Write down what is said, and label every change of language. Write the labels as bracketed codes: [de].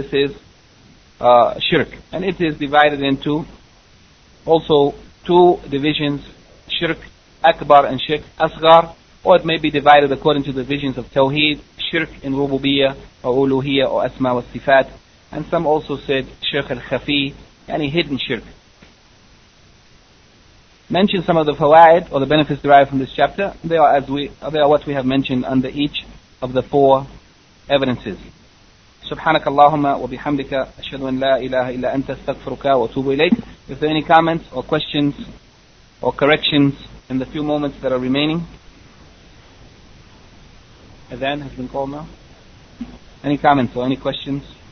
[en] This is shirk. And it is divided into also two divisions, shirk akbar and shirk asghar, or it may be divided according to the divisions of tawheed, shirk in rububiyyah or uluhiyyah or asma wa sifat. And some also said shirk al-khafi, yani hidden shirk. Mention some of the fawaid or the benefits derived from this chapter. They are what we have mentioned under each of the four evidences. [ar] سبحانك اللهم وبحمدك أشهد أن لا إله إلا أنت استغفرك وأتوب إليك. [en] If there are any comments or questions or corrections in the few moments that are remaining. Adhan has been called now. Any comments or any questions?